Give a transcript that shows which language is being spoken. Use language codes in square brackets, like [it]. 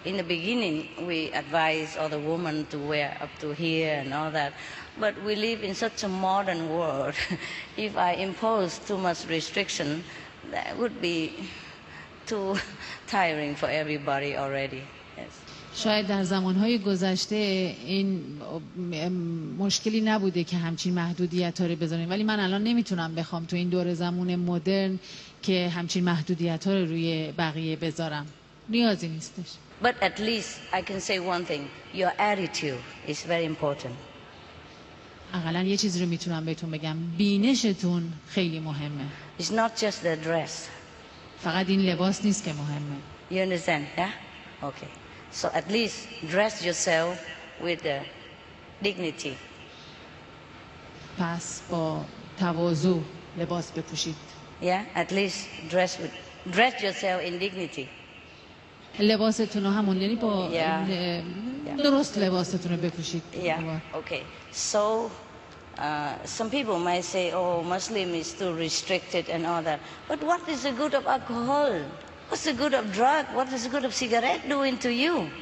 [en] In the beginning, we advise all the women to wear up to here and all that. But we live in such a modern world. If I impose too much restriction, that would be too tiring for everybody already. [fa] شاید در زمانهای گذشته این مشکلی نبوده که همچین محدودیت‌ها رو بذاریم، ولی من الان نمیتونم بخوام تو این دور زمان مدرن که همچین محدودیت‌ها رو روی بقیه بذارم، نیازی نیستش. [en] But at least I can say one thing, your attitude is very important. [fa] حداقل یه چیز رو میتونم بهتون بگم، بینشتون خیلی مهمه. [en] It's not just the dress. [fa] فقط این لباس نیست که مهمه. [en] You understand, yeah? Okay. So at least dress yourself with dignity. [fa] پس با تواضع لباس بپوشید. [en] Yeah, at least dress yourself in dignity. [fa] لباستون رو همون، یعنی با درست لباستون رو بپوشید. [en] Yeah, okay. So some people might say, oh, Muslim is too restricted and all that. But what is the good of alcohol? What's the good of drug? What is the good of cigarette doing to you?